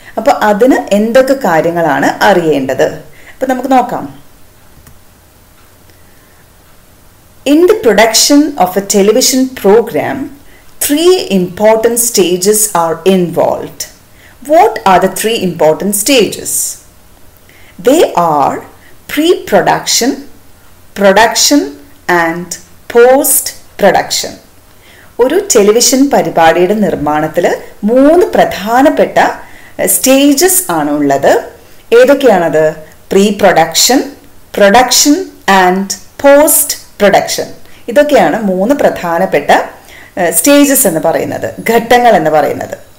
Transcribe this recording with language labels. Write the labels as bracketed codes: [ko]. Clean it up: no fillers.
[ml] അപ്പൊ അതിന് എന്തൊക്കെ കാര്യങ്ങളാണ് അറിയേണ്ടത്? അപ്പൊ നമുക്ക് നോക്കാം. [en] In the production of a television programme three important stages are involved. What are the three important stages? They are pre-production, production and post-production. [ml] ഒരു ടെലിവിഷൻ പരിപാടിയുടെ നിർമ്മാണത്തിൽ മൂന്ന് പ്രധാനപ്പെട്ട സ്റ്റേജസ് ആണ് ഉള്ളത്. ഏതൊക്കെയാണത്? [en] Pre-production, production and post production. [ml] ഇതൊക്കെയാണ് മൂന്ന് പ്രധാനപ്പെട്ട സ്റ്റേജസ് എന്ന് പറയുന്നത്, ഘട്ടങ്ങൾ എന്ന് പറയുന്നത്.